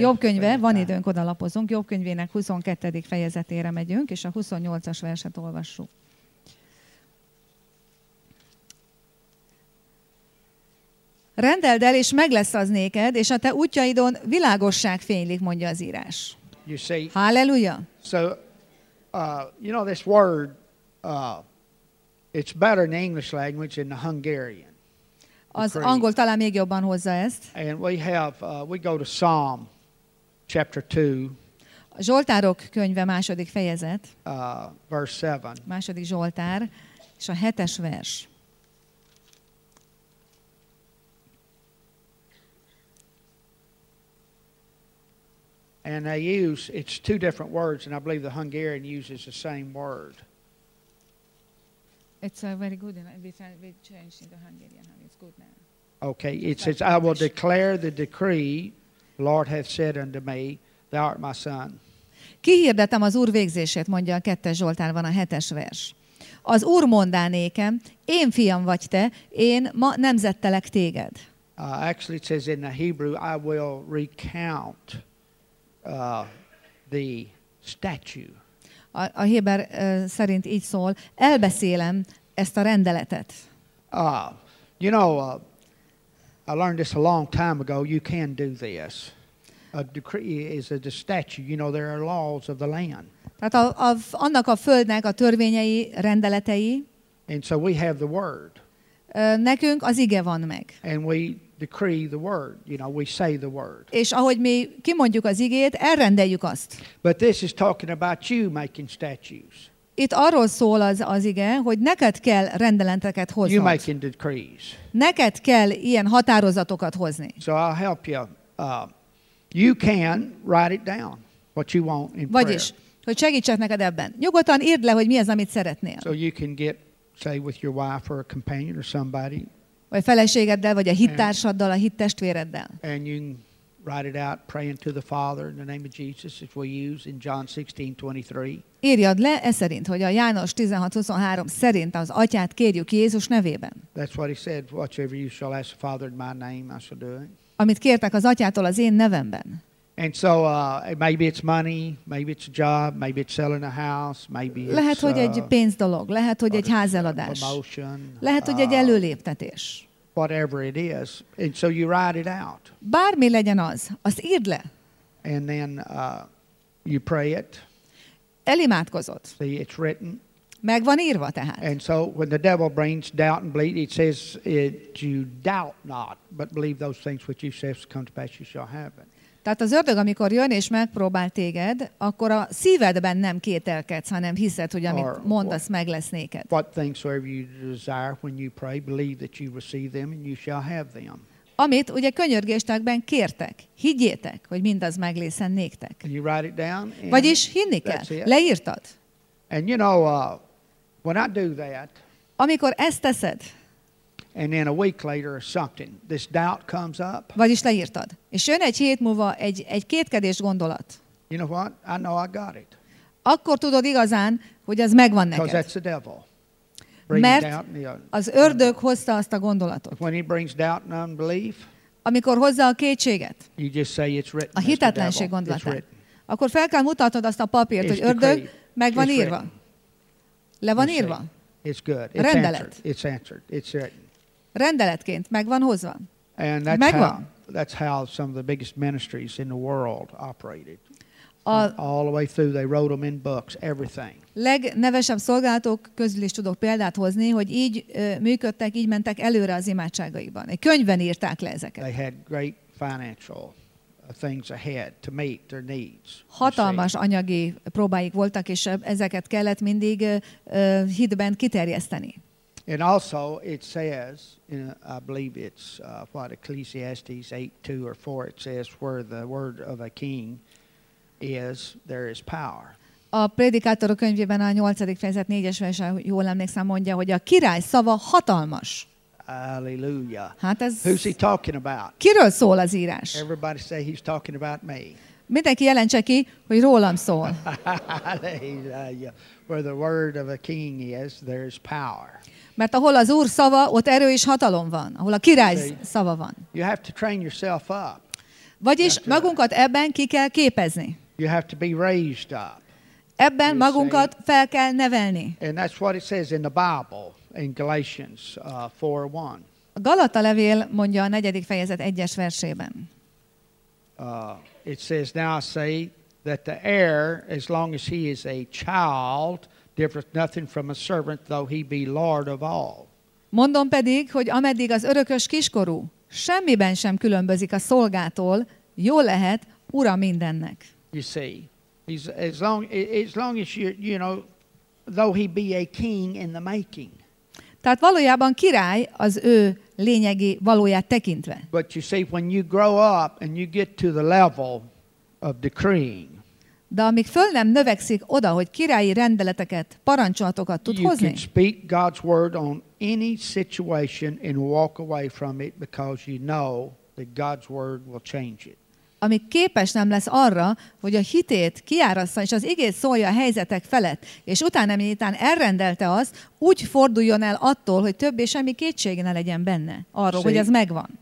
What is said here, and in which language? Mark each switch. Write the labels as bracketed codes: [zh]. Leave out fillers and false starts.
[hu] Jobb könyve, van időnk, oda lapozunk. Jobb könyvének 22. fejezetére megyünk, és a 28-as verset olvassuk. Rendeld el, és meg lesz az néked, és a te útjaidon világosság fénylik, mondja az írás. [en] You see, halleluja! So, you know this word, it's better in the English language than the Hungarian. [hu] Az angol talán még jobban hozza ezt. [en] And we have, we go to Psalm chapter 2. [hu] A Zsoltárok könyve második fejezet. [en] Verse 7. [hu] Második Zsoltár, és a 7-es vers. [en] And they use, it's two different words, and I believe the Hungarian uses the same word. It's very good, and we changed in the Hungarian, and it's good now. Okay, it says, I will declare the decree, the Lord hath said unto me, thou art my son. [hu] Kihirdetem az Úr végzését, mondja a 2. Zsoltár, van a 7-es vers. Az Úr mondá nékem, én fiam vagy te, én ma nemzettelek téged. [en] Actually, it says in the Hebrew, I will recount the statue. [hu] A Héber szerint így szól, elbeszélem ezt a rendeletet. [en] You know, I learned this a long time ago, you can do this. A decree is a statue, you know, there are laws of the land. [hu] Tehát annak a földnek a törvényei, rendeletei. [en] And so we have the word. [hu] Nekünk az ige van meg. [en] And we decree the word, you know, we say the word. [hu] És ahogy mi kimondjuk az igét, elrendeljük azt. [en] But this is talking about you making statues. [hu] Itt arról szól az ige, hogy neked kell rendeleteket hoznod. [en] You making decrees. [hu] Neked kell ilyen határozatokat hozni. [en] So I'll help you. You can write it down what you want in [hu] Vagyis, [en] prayer. [hu] Hogy segítsek neked ebben. Nyugodtan írd le, hogy mi az, amit szeretnél. [en] So you can get say with your wife or a companion or somebody. [hu] Vagy feleségeddel, vagy a hittársaddal, a hittestvéreddel. [en] And you can write it out praying to the Father in the name of Jesus as we use in John 16:23. [hu] Írjad le e szerint, hogy a János 16:23 szerint az Atyát kérjük Jézus nevében. [en] That's what he said, whatsoever you shall ask the Father in my name, I shall do it. [hu] Amit kértek az Atyától az én nevemben. [en] And so maybe it's money, maybe it's a job, maybe it's selling a house, maybe it's [hu] lehet, hogy egy pénzdolog, lehet, hogy egy házeladás. [en] Promotion, [hu] lehet, hogy egy előléptetés. [en] Whatever it is, and so you write it out. [hu] Bármi legyen az, azt írd le. [en] And then you pray it. [hu] Elimádkozod. [en] See, it's written. [hu] Meg van írva tehát. [en] And so when the devil brings doubt and belief, it says you doubt not, but believe those things which you say come to pass, you shall happen. [hu] Tehát az ördög, amikor jön és megpróbál téged, akkor a szívedben nem kételkedsz, hanem hiszed, hogy amit mondasz, meg lesz néked. [en] What things soever you desire when you pray, believe that you receive them and you shall have them. [hu] Amit ugye könyörgéstekben kértek, higgyétek, hogy mindaz meg lészen néktek. [en] And you write it down, and [hu] vagyis hinni kell, leírtad. [en] And you know, when I do that, [hu] amikor ezt teszed, [en] and then a week later or something, this doubt comes up. [hu] Vagyis leírtad. És jön egy hét múlva egy kétkedés gondolat. [en] You know what? I know I got it. [hu] Akkor tudod igazán, hogy az megvan neked. [en] Because that's the devil. [hu] Mert az ördög hozta azt a gondolatot. [en] When he brings doubt and unbelief, [hu] amikor hozza a kétséget, [en] you just say it's written, [hu] a hitetlenség gondolatát, akkor fel kell mutatnod azt a papírt, [en] it's [hu] hogy ördög, megvan írva. Le van írva. [en] It's good. It's [hu] rendelet. [en] Answered. It's answered. It's written. [hu] Rendeletként megvan hozva. [en] And that's [hu] megvan. [en] That's how some of the biggest ministries in the world operated. All the way through, they wrote them in books, everything. [hu] Legnevesebb szolgálatok közül is tudok példát hozni, hogy így működtek, így mentek előre az imádságaiban. Egy könyvben írták le ezeket. [en] They had great financial things ahead to meet their needs. [hu] Hatalmas anyagi próbáik voltak, és ezeket kellett mindig hitben kiterjeszteni. [en] And also it says, in a, I believe it's what Ecclesiastes 8:2 or 4, it says, where the word of a king is, there is power. [hu] A Prédikátorok könyvében a 8. fejezet 4-es verse, jól emlékszem, mondja, hogy a király szava hatalmas. [en] Hallelujah. [hu] Hát ez [en] who's he talking about? [hu] Kiről szól az írás? [en] Everybody say he's talking about me. [hu] Mindenki jelentse ki, hogy rólam szól. [en] Hallelujah. Where the word of a king is, there is power. [hu] Mert ahol az Úr szava, ott erő és hatalom van. Ahol a király szava van. [en] You have to train yourself up. [hu] Vagyis magunkat ebben ki kell képezni. [en] You have to be raised up. [hu] Ebben [en] you [hu] magunkat [en] see? [hu] Fel kell nevelni. [en] And that's what it says in the Bible, in Galatians 4:1. [hu] A Galata levél mondja a 4. fejezet 1-es versében. [en] It says, now I say that the heir, as long as he is a child, differeth nothing from a servant, though he be lord of all. [hu] Mondom pedig, hogy ameddig az örökös kiskorú, semmiben sem különbözik a szolgától, jó lehet, ura mindennek. [en] You see, as long as you know, though he be a king in the making. [hu] Tehát valójában király az ő lényegi valóját tekintve. [en] But you see, when you grow up and you get to the level of decreeing, [hu] de amíg föl nem növekszik oda, hogy királyi rendeleteket, parancsolatokat tud hozni. [en] You can speak God's word on any situation and walk away from it because you know that God's word will change it. [hu] Amíg képes nem lesz arra, hogy a hitét kiárassza, és az igét szólja a helyzetek felett, és utána miután elrendelte azt, úgy forduljon el attól, hogy többé semmi kétség ne legyen benne arról, hogy ez megvan.